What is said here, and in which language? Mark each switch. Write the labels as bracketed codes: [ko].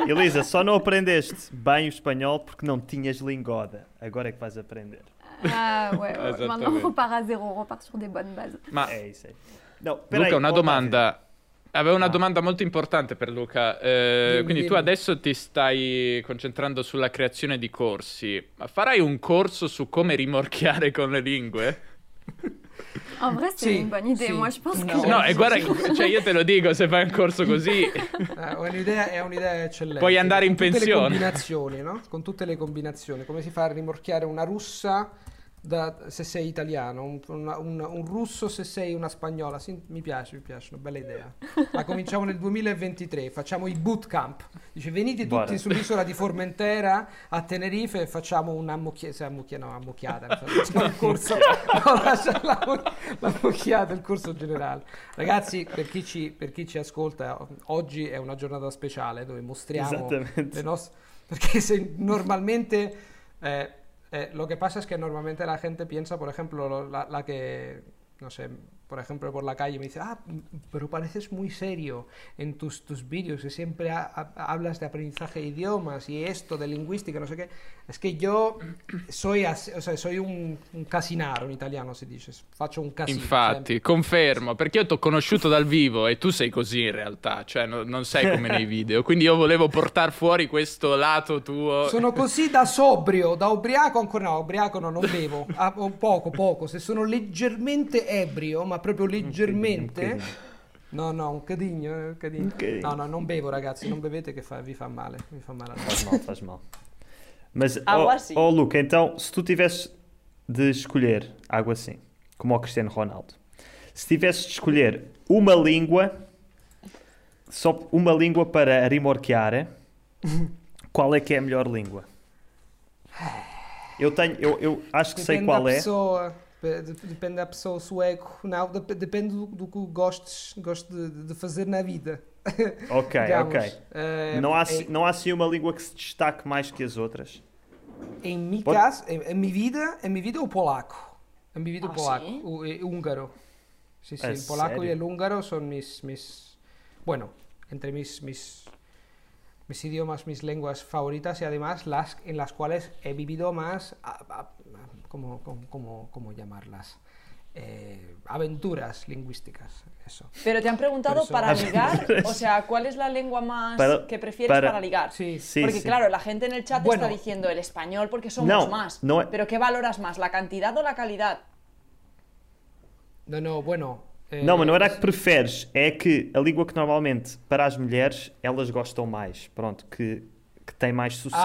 [pt] Elisa, só não aprendeste bem o espanhol porque não tinhas lingoda. Agora é que vais aprender. [fr] Ah, ouais, maintenant on repart à zéro, on repart sur des bonnes bases. [it] Ma... No, per Luca, una domanda. Avevo una domanda molto importante per Luca. Tu adesso ti stai concentrando sulla creazione di corsi. Ma farai un corso su come rimorchiare con le lingue? [fr] En vrai, c'est une bonne idée. [it] Sì. [fr] Moi, je pense [it] che. No, e guarda, cioè, io te lo dico, se fai un corso così. È un'idea eccellente. Puoi andare in pensione. Con tutte le combinazioni, no? Con tutte le combinazioni. Come si fa a rimorchiare una russa se sei italiano? Un russo se sei una spagnola? Sì, mi piace, una bella idea. Ma cominciamo nel 2023, facciamo i bootcamp. Dice, venite tutti sull'isola di Formentera a Tenerife e facciamo una ammucchiata. La corso generale. Ragazzi, per chi ci ascolta, oggi è una giornata speciale dove mostriamo le nostre... Perché se normalmente... [es] lo que pasa es que normalmente la gente piensa, por ejemplo, la que, no sé, por ejemplo, por la calle, me dice, ah, pero pareces muy serio en tus vídeos, que siempre hablas de aprendizaje de idiomas y esto, de lingüística, no sé qué. Es que yo soy así, o sea, soy un casinaro, [it] in italiano si dice, faccio un casino. Infatti, sempre. Confermo, perché io ti ho conosciuto dal vivo e tu sei così in realtà, cioè non sei come nei video, quindi io volevo portar fuori questo lato tuo. Sono così da sobrio, da ubriaco ancora, no, ubriaco no, non bevo, poco, poco, se sono leggermente ebrio, ma proprio leggermente... No, no, un cadigno, un cadigno. Okay. No, no, non bevo, ragazzi, non bevete che vi fa male. Mi fa male. [pt] Faz mal. Mas, água, sim. Oh, Luca, então, se tu tivesses de escolher água sim, como o Cristiano Ronaldo, se tivesses de escolher uma língua, só uma língua para arimorquear, qual é que é a melhor língua? Eu acho que depende sei qual da pessoa, é. Depende da pessoa, sueco, não, depende do que gostes de fazer na vida. Ok, digamos, ok. Não há assim uma língua que se destaque mais que as outras? Em mi caso, em minha vida o polaco. Em minha vida o polaco. Sim? O húngaro. Sim, sim. O polaco sério? E o húngaro são [es] mis bueno, entre mis idiomas, mis lenguas favoritas y además las en las cuales he vivido más, ¿cómo llamarlas? Aventuras lingüísticas, eso. Pero te han preguntado eso, para ligar, o sea, ¿cuál es la lengua más que prefieres para ligar? Sí, sí. Porque sí. Claro, la gente en el chat está diciendo el español porque somos más. No, pero ¿qué valoras más, la cantidad o la calidad? No, no, bueno... [pt] Não, mas não era a que preferes, é que a língua que normalmente, para as mulheres, elas gostam mais, pronto, que tem mais sucesso.